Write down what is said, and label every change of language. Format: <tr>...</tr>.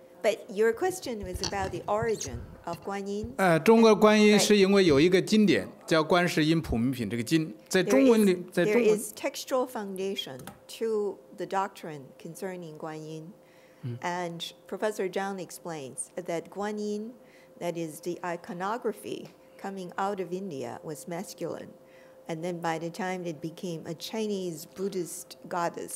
<en>But your question was about the origin of Guanyin.</en> <zh>中国观音是因为有一个经典叫《观世音普门品》这个经，在中文里，在中文。</zh> <en>There is textual foundation to the doctrine concerning Guanyin, and Professor Zhang explains that Guanyin, that is the iconography coming out of India, was masculine. And then by the time it became a Chinese Buddhist goddess,</en>